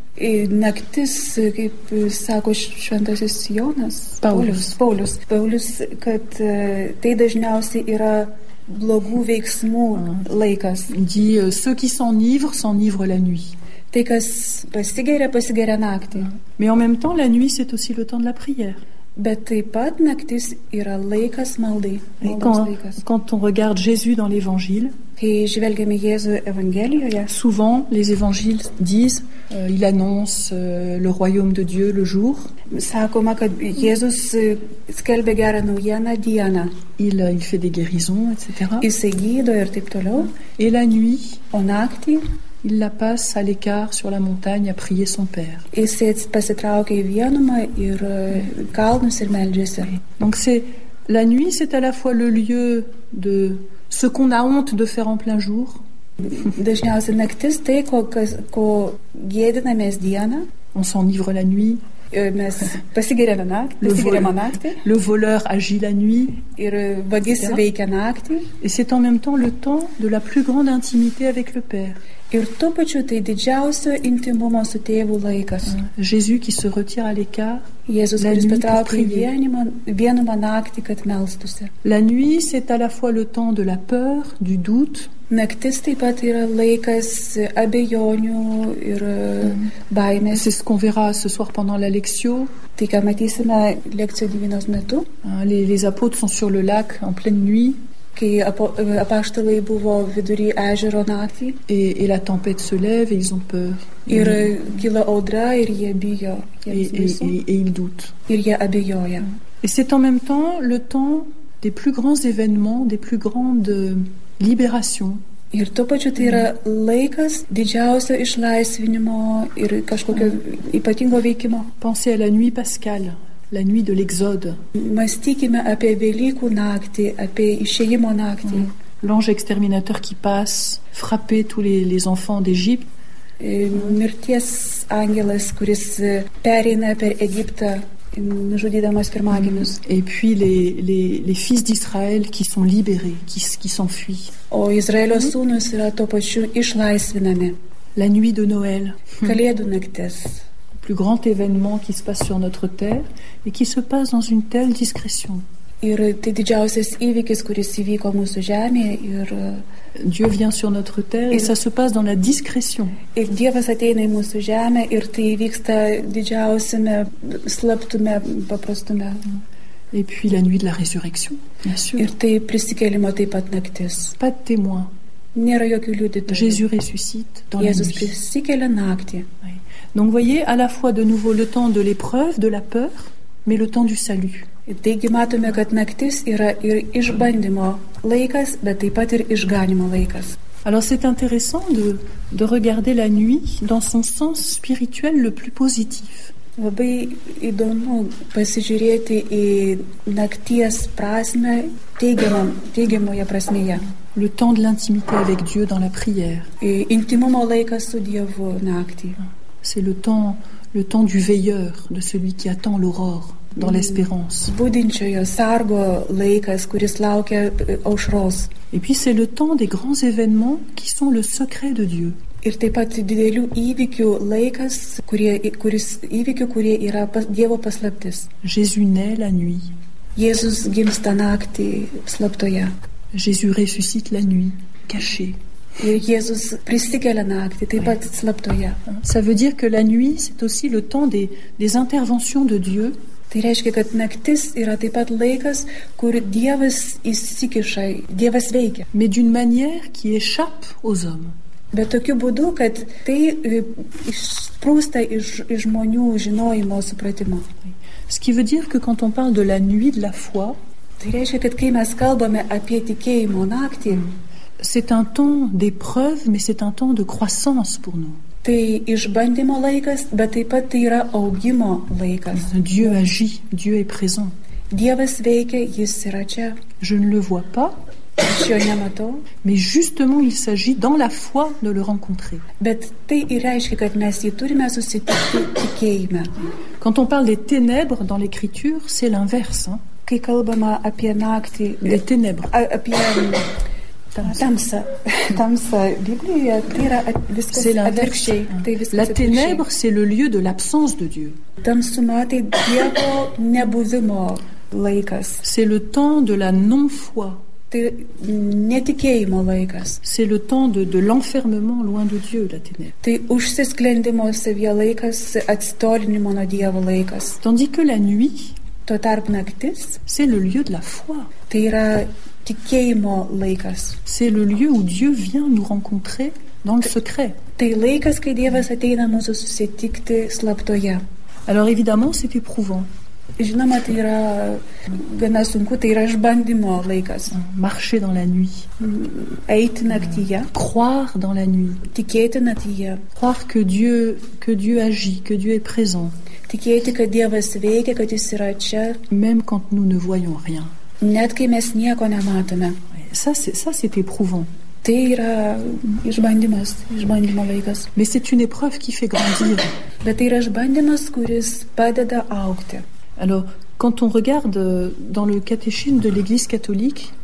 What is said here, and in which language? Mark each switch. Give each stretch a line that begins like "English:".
Lithuanian: Ir naktis, kaip sako šventasis Jonas, Paulius, kad tai dažniausiai yra blogų veiksmų laikas.
French: Dit, ceux qui s'enivrent la nuit.
Lithuanian: Tai, kas pasigeria naktį.
French: Mais en même temps, la nuit, c'est aussi le temps de la prière.
Lithuanian: Bet taip pat naktis yra laikas maldai.
French: Quand on regarde Jésus dans l'évangile,
Lithuanian: kai žvelgiame Jėzų evangelijoje,
French: souvent, les évangiles disent, il annonce le royaume de Dieu le jour.
Lithuanian: Sakoma, kad Jėzus skelbia gerą naujieną dieną.
French: Il fait des guérisons, etc.
Lithuanian: Jisai gydo ir taip toliau.
French: Et la nuit,
Lithuanian: o naktį,
French: il la passe à l'écart sur la montagne à prier son père. Et c'est passé
Lithuanian: traukia į vienumą ir kalnus ir meldžiasi.
French: Donc c'est la nuit, c'est à la fois le lieu de ce qu'on a honte de faire en plein jour.
Lithuanian: Dažniausiai naktis tai, ko gėdinamės dieną.
French: On s'enivre la nuit.
Lithuanian: Mes pasigėrėme naktį.
French: Le voleur agit la nuit.
Lithuanian: Ir vagis veikia naktį.
French: Et c'est en même temps le temps de la plus grande intimité avec le Père.
Lithuanian: Ir tuo pačiu tai didžiausio intimumo su tėvu laikas.
French: Jésus qui se retire à l'écart.
Lithuanian: Jėzus, kuris patraukia į vienumą naktį, kad melstusi.
French: La nuit, c'est à la fois le temps de la peur, du doute.
Lithuanian: Naktis taip pat yra laikas abejonių ir baimės.
French: C'est ce qu'on verra ce soir pendant la lectio.
Lithuanian: Tai ką matysime lekcijo divinos metu.
French: Les apôtres sont sur le lac en pleine nuit.
Lithuanian: Kai apaštalai buvo vidury ežero naktį.
French: Et la tempête se lève et ils ont peur.
Lithuanian: Ir kyla audra ir jie bijo.
French: Et ils doutent.
Lithuanian: Ir jie abejoja.
French: Et c'est en même temps le temps des plus grands événements, des plus grandes libérations.
Lithuanian: Ir tuo pačiu tai yra laikas didžiausio išlaisvinimo ir kažkokio ypatingo veikimo.
French: Pensez à la nuit pascale. La nuit de l'exode.
Lithuanian: Mąstykime apie Velykų naktį, apie išėjimo naktį.
French: L'ange exterminateur qui passe frapper tous les enfants d'Égypte.
Lithuanian: Mirties angelas, kuris pereina per Egiptą, nužudydamas pirmagimius.
French: Et puis les fils d'Israël qui sont libérés, qui s'enfuient.
Lithuanian: O Izraelio sūnus yra tuo pačiu išlaisvinami.
French: La nuit de Noël.
Lithuanian: Kalėdų naktis.
French: Plus grand événement qui se passe sur notre terre et qui se passe dans une telle discrétion.
Lithuanian: Ir tai didžiausias įvykis, kuris įvyko mūsų žemėje. Ir
French: Dieu vient sur notre terre et ça se passe dans la discrétion.
Lithuanian: Ir Dievas ateina į mūsų žemę ir tai vyksta didžiausiame slaptume, paprastume.
French: Et puis la nuit de la résurrection, bien sûr.
Lithuanian: Ir tai prisikėlimo taip pat naktis.
French: Pas de témoin.
Lithuanian: Nėra jokių liudytojų.
French: Jésus ressuscite dans Jésus la nuit.
Lithuanian: Prisikėlė naktį.
French: Oui. Donc voyez à la fois de nouveau le temps de l'épreuve, de la peur, mais le temps du salut.
Lithuanian: Taigi matome, kad naktis yra ir išbandymo laikas, bet taip pat ir išganimo laikas.
French: Alors c'est intéressant de regarder la nuit dans son sens spirituel le plus positif.
Lithuanian: Labai įdomu pasižiūrėti į nakties prasmę teigiamoje prasmėje.
French: Le temps de l'intimité avec Dieu dans la prière.
Lithuanian: Et intimumo laikas su Dievu naktį.
French: C'est le temps du veilleur, de celui qui attend l'aurore. Dans l'espérance.
Lithuanian: Budinčiojo sargo laikas, kuris laukia aušros.
French: Et puis c'est le temps des grands événements qui sont le secret de Dieu.
Lithuanian: Ir taip pat didelių įvykių laikas, kurie yra Dievo paslaptis.
French: Jésus naît la nuit.
Lithuanian: Jėzus gimsta naktį slaptoje.
French: Jésus ressuscite la nuit, caché.
Lithuanian: Ir Jėzus prisikelia naktį, taip pat slaptoje.
French: Ça veut dire que la nuit, c'est aussi le temps des interventions de Dieu.
Lithuanian: Tai reiškia, kad naktis yra taip pat laikas, kur Dievas įsikiša, Dievas veikia.
French: Mais d'une manière qui échappe aux hommes.
Lithuanian: Bet tokiu būdu, kad tai išsprūsta iš žmonių žinojimo supratimo.
French: Ce qui veut dire que quand on parle de la nuit de la foi,
Lithuanian: tai reiškia, kad kai mes kalbame apie tikėjimo naktį,
French: c'est un temps d'épreuve, mais c'est un temps de croissance pour nous.
Lithuanian: Tai išbandymo laikas, bet taip pat tai yra augimo laikas.
French: Dieu agit, Dieu est présent.
Lithuanian: Dievas veikia, jis yra čia.
French: Je ne le vois pas.
Lithuanian: Aš jo nematau.
French: Mais justement, il s'agit dans la foi de le rencontrer.
Lithuanian: Bet tai ir reiškia, kad mes jį turime susitikti tikėjime.
French: Quand on parle des ténèbres dans l'écriture, c'est l'inverse. Hein?
Lithuanian: Kai kalbama apie naktį.
French: Des ténèbres.
Lithuanian: Apie Tamsa Biblijoje, tai yra viskas atvirkščiai. Tai viskas
French: la ténèbre, c'est le lieu de l'absence de Dieu.
Lithuanian: Tamsuma, tai Dievo nebuvimo laikas.
French: C'est le temps de la non-foi.
Lithuanian: Tai netikėjimo laikas.
French: C'est le temps de l'enfermement loin de Dieu, la ténèbre.
Lithuanian: Tai užsisklendimo savyje laikas, atsitolinimo nuo Dievo laikas.
French: Tandis que la nuit,
Lithuanian: tuo tarp naktis,
French: c'est le lieu de la foi.
Lithuanian: Tai yra tikėjimo laikas.
French: C'est le lieu où Dieu vient nous rencontrer dans le secret.
Lithuanian: Tai laikas, kai Dievas ateina mūsų susitikti slaptoje.
French: Alors évidemment, c'est éprouvant.
Lithuanian: Žinoma, tai yra gana sunku, tai yra išbandymo laikas.
French: Marcher dans la nuit.
Lithuanian: Eiti naktyje.
French: Croire dans la nuit.
Lithuanian: Tikėti naktyje.
French: Croire que Dieu agit, que Dieu est présent.
Lithuanian: Tikėti, kad Dievas veikia, kad jis yra čia.
French: Même quand nous ne voyons rien.
Lithuanian: Net kai mes nieko nematome.
French: Ça c'est éprouvant.
Lithuanian: Tai yra išbandymo laikas.
French: Mais c'est une épreuve qui fait grandir.
Lithuanian: Bet tai yra išbandymas, kuris padeda augti.
French: Alors, quand on regarde dans le catéchisme de l'Église catholique,